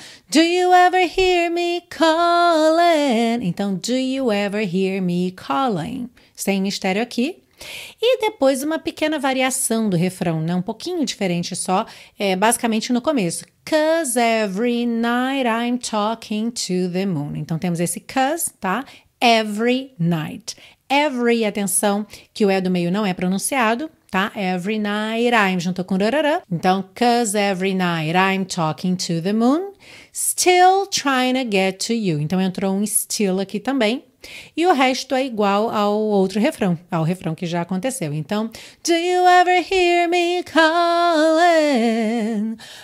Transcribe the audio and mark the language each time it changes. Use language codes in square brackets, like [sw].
[en] Do you ever hear me calling? Então, do you ever hear me calling? [pt] Sem mistério aqui. E depois uma pequena variação do refrão, né? Um pouquinho diferente só, basicamente no começo. [en] 'Cause every night I'm talking to the moon. [pt] Então temos esse 'cause, tá? [en] Every night. [pt] Every, atenção, que o E do meio não é pronunciado, tá? [en] Every night I'm [pt] junto com rarara. [en] Então, 'cause every night I'm talking to the moon. Still trying to get to you. [pt] Então entrou um still aqui também. E o resto é igual ao outro refrão, ao refrão que já aconteceu. [en] Então, do you ever hear me calling?